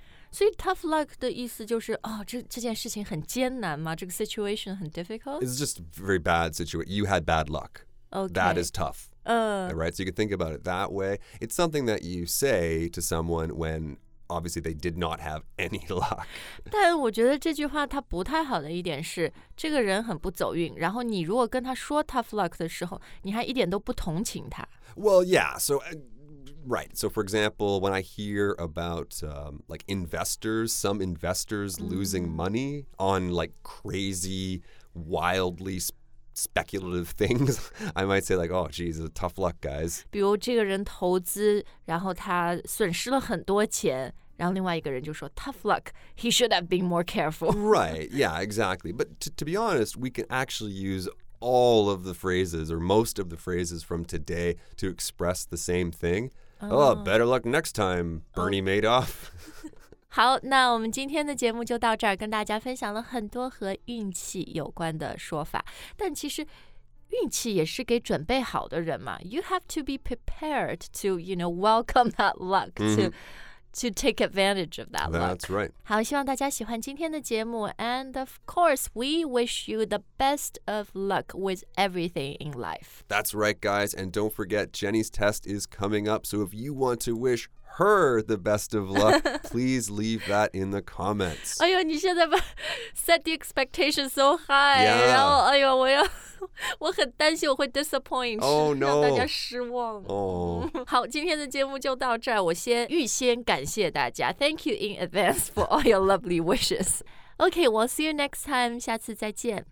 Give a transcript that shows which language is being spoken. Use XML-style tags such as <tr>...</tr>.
<zh>所以 tough luck 的意思就是哦，这件事情很艰难吗这个 situation 很 difficult</zh> <en>It's just a very bad situation You had bad luck Okay That is tough Right, so you can think about it that way It's something that you say to someone whenObviously, they did not have any luck.</en> <zh>但我觉得这句话它不太好的一点是，这个人很不走运。然后你如果跟他说 tough luck 的时候，你还一点都不同情他。</zh> <en>Well, yeah. So, right. So, for example, when I hear about like investors, some investors losing money on like crazy, wildly speculative things, I might say like, oh, geez, tough luck, guys.</en> <zh>比如这个人投资，然后他损失了很多钱，然后另外一个人就说</zh> <en>tough luck, he should have been more careful. Right, yeah, exactly. But to be honest, we can actually use all of the phrases or most of the phrases from today to express the same thing. Oh, better luck next time, Bernie Madoff.</en> <zh>好，那我们今天的节目就到这儿，跟大家分享了很多和运气有关的说法。但其实运气也是给准备好的人嘛。</zh> <en>You have to be prepared to, you know, welcome that luck, to take advantage of that luck. That's right.</en> <zh>好，希望大家喜欢今天的节目。</zh> <en>And of course, we wish you the best of luck with everything in life. That's right, guys. And don't forget, Jenny's test is coming up. So if you want to wish her the best of luck, please leave that in the comments.</en> <zh>哎呦，你现在把</zh> <en>set the expectation so high. Yeah.</en> <zh>然后哎呦，我很担心我会 disappoint.</zh> <en>Oh no.</en> <zh>让大家失望。</zh> <en>Oh.</en> <zh>好，今天的节目就到这儿。我先预先感谢大家。</zh> <en>Thank you in advance for all your lovely wishes. Okay, we'll see you next time.</en> <zh>下次再见。</zh>